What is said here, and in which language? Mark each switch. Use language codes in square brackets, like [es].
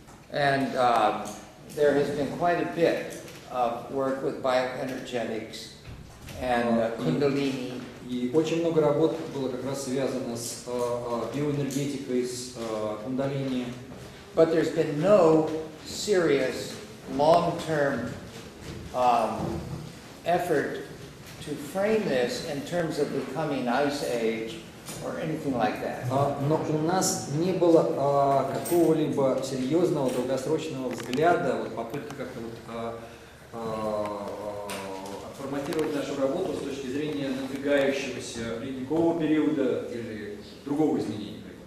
[en] And there has been quite a bit of work with bioenergetics and kundalini. [ru] И очень много работ было как раз связано с биоэнергетикой, с кундалини. [en] But there's been no serious long-term effort to frame this in terms of becoming ice age or anything like that. [ru] Но у нас не было какого-либо серьезного долгосрочного взгляда, вот попытки как-то вот отформатировать нашу работу с точки зрения надвигающегося ледникового периода или другого изменения.